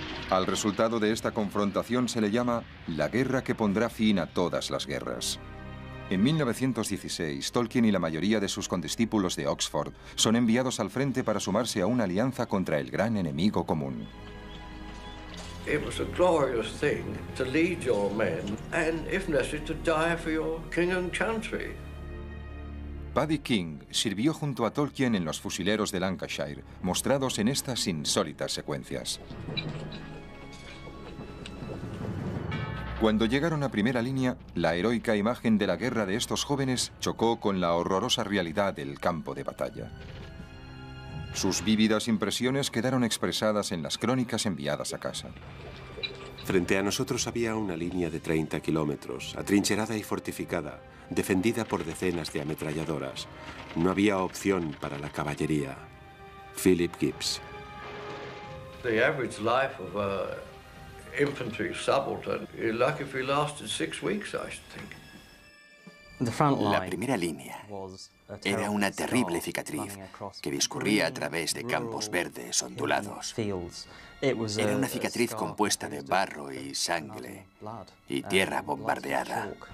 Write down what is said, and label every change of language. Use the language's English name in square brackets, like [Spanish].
[Spanish] Al resultado de esta confrontación se le llama la guerra que pondrá fin a todas las guerras. En 1916, Tolkien y la mayoría de sus condiscípulos de Oxford son enviados al frente para sumarse a una alianza contra el gran enemigo común. [English] It was a glorious thing to lead your men and, if necessary, to die for your king and country. [Spanish] Paddy King sirvió junto a Tolkien en los fusileros de Lancashire, mostrados en estas insólitas secuencias. Cuando llegaron a primera línea, la heroica imagen de la guerra de estos jóvenes chocó con la horrorosa realidad del campo de batalla. Sus vívidas impresiones quedaron expresadas en las crónicas enviadas a casa. Frente a nosotros había una línea de 30 kilómetros, atrincherada y fortificada, defendida por decenas de ametralladoras. No había opción para la caballería. Philip Gibbs. [English] The average life of an infantry subaltern is lucky if he lasted 6 weeks, I should think. [Spanish] La primera línea era una terrible cicatriz que discurría a través de campos verdes ondulados. Era una cicatriz compuesta de barro y sangre y tierra bombardeada.